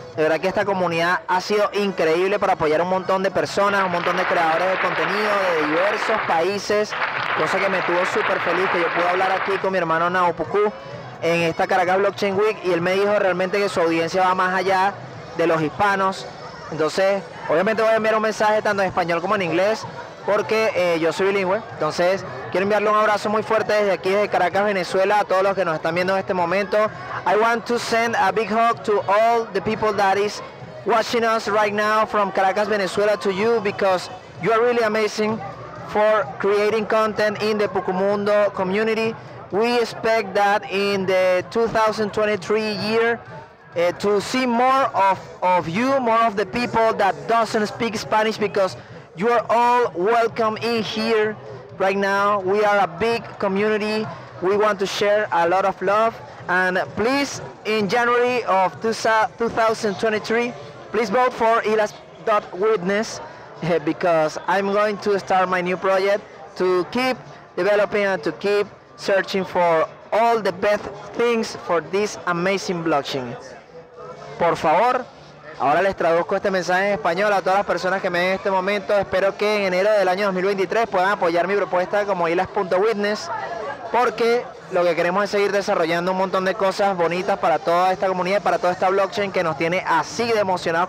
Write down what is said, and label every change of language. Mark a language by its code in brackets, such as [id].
[es] De verdad que esta comunidad ha sido increíble para apoyar a un montón de personas, un montón de creadores de contenido de diversos países, cosa que me tuvo súper feliz, que yo pude hablar aquí con mi hermano Nao Pucú en esta Caracas Blockchain Week, y él me dijo realmente que su audiencia va más allá de los hispanos. Entonces, obviamente voy a enviar un mensaje tanto en español como en inglés, porque yo soy bilingüe. Entonces quiero enviarle un abrazo muy fuerte desde aquí, desde Caracas, Venezuela, a todos los que nos están viendo en este momento. [en] I want to send a big hug to all the people that is watching us right now from Caracas, Venezuela, to you, because you are really amazing for creating content in the Pucumundo community. We expect that in the 2023 year to see more of you, more of the people that doesn't speak Spanish, because you are all welcome in here right now. We are a big community. We want to share a lot of love. And please, in January of 2023, please vote for Ilas.witness, because I'm going to start my new project to keep developing and to keep searching for all the best things for this amazing blockchain. [es] Por favor, ahora les traduzco este mensaje en español a todas las personas que me ven en este momento. Espero que en enero del año 2023 puedan apoyar mi propuesta como Ilas.witness, porque lo que queremos es seguir desarrollando un montón de cosas bonitas para toda esta comunidad, para toda esta blockchain que nos tiene así de emocionados.